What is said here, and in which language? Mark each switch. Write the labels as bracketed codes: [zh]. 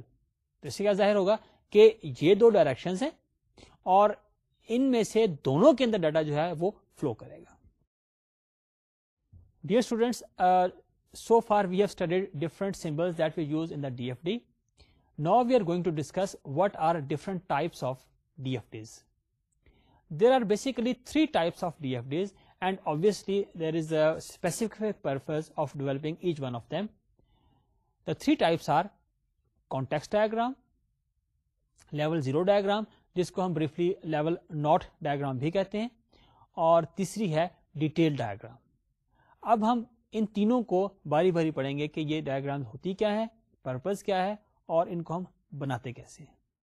[ur] تو اس سے کیا ظاہر ہوگا کہ یہ دو ڈائریکشن ہیں اور ان میں سے دونوں کے اندر ڈیٹا جو ہے وہ فلو کرے گا. [en] Dear students, so far we have studied different symbols that we use in the D F D. Now we are going to discuss what are different types of D F Ds. There are basically three types of D F Ds, and obviously there is a specific purpose of developing each one of them. The three types are context diagram, level zero diagram [ur] جس کو ہم briefly level naught diagram بھی کہتے ہیں, اور تیسری ہے [en] Detail diagram. [ur] اب ہم ان تینوں کو باری باری پڑھیں گے کہ یہ ڈائگرام ہوتی کیا ہے, پرپز کیا ہے, اور ان کو ہم بناتے کیسے ہیں.